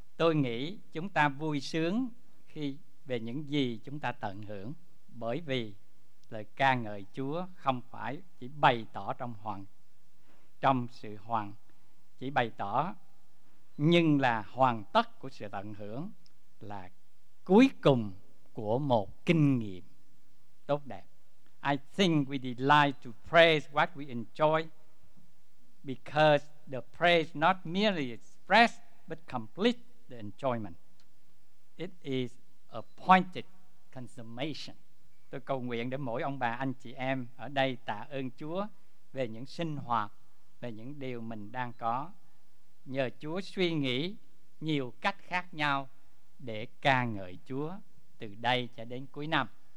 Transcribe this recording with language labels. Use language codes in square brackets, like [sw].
[vi] Tôi nghĩ chúng ta vui sướng khi về những gì chúng ta tận hưởng, bởi vì lời ca ngợi Chúa không phải chỉ bày tỏ nhưng là hoàn tất của sự tận hưởng, là cuối cùng của một kinh nghiệm tốt đẹp. [en] I think we delight to praise what we enjoy because the praise not merely express but complete the enjoyment. It is appointed consummation. [vi] Tôi cầu nguyện để mỗi ông bà anh chị em ở đây tạ ơn Chúa về những sinh hoạt, về những điều mình đang có. Nhờ Chúa suy nghĩ nhiều cách khác nhau để ca ngợi Chúa từ đây cho đến cuối năm.